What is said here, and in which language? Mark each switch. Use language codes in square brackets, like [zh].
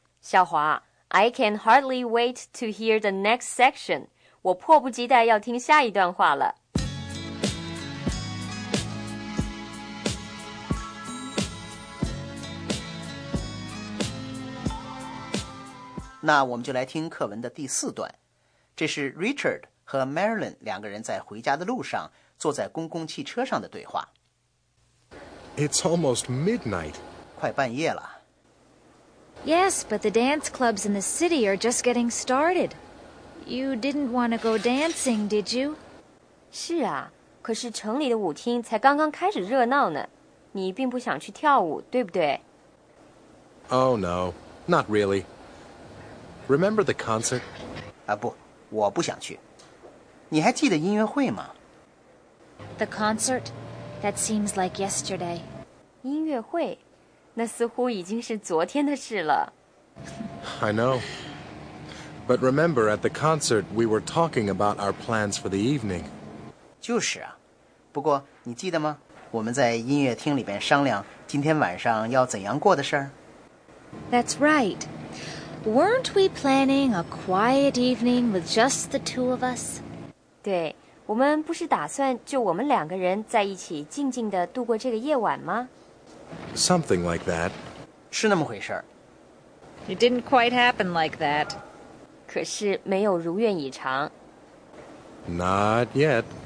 [en] 小华，I can hardly wait to hear the next section. [zh] 我迫不及待要听下一段话了。那我们就来听课文的第四段。这是 Richard 和 Marilyn 两个人在回家的路上坐在公共汽车上的对话。 [en] It's almost midnight. [zh] 快半夜了。 [en] Yes, but the dance clubs in the city are just getting started. You didn't want to go dancing, did you? [zh] 是啊，可是城里的舞厅才刚刚开始热闹呢。你并不想去跳舞，对不对？ [en] Oh, no, not really. Remember the concert? [zh] 啊，不，我不想去。你还记得音乐会吗？ [en] The concert? That seems like yesterday. [zh] 音乐会？那似乎已经是昨天的事了。 [en] I know. But remember, at the concert, we were talking about our plans for the evening. [zh] 就是啊。不过你记得吗？我们在音乐厅里边商量今天晚上要怎样过的事儿。 [en] That's right. Weren't we planning a quiet evening with just the two of us? [zh] 对，我们不是打算就我们两个人在一起静静地度过这个夜晚吗？ [en] Something like that. [zh] 是那么回事。 [en] It didn't quite happen like that. [zh] 可是没有如愿以偿。 [en] Not yet.